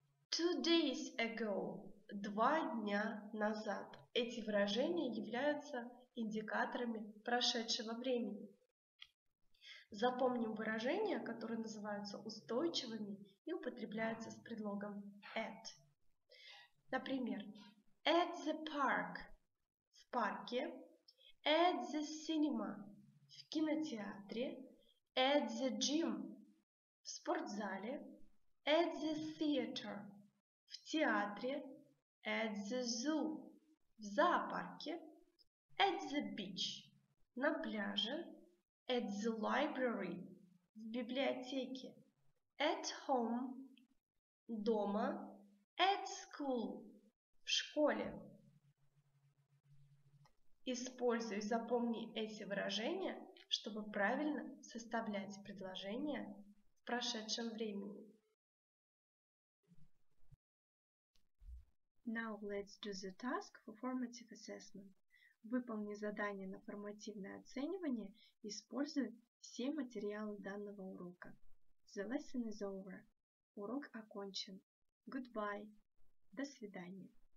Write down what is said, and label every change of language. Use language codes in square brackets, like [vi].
[en] 2 days ago, [ru] 2 дня назад. Эти выражения являются индикаторами прошедшего времени. Запомним выражения, которые называются устойчивыми и употребляются с предлогом at. Например, [en] at the park – [ru] в парке, [en] at the cinema – [ru] в кинотеатре, [en] at the gym – [ru] в спортзале, [en] at the theater – [ru] в театре, [en] at the zoo – [ru] в зоопарке, [en] at the beach, [ru] на пляже, [en] at the library, [ru] в библиотеке, [en] at home, [ru] дома, [en] at school, [ru] в школе. Используй, запомни эти выражения, чтобы правильно составлять предложения в прошедшем времени. [en] Now let's do the task for formative assessment. [ru] Выполни задание на формативное оценивание, используя все материалы данного урока. [en] The lesson is over. [ru] Урок окончен. [en] Goodbye. [ru] До свидания.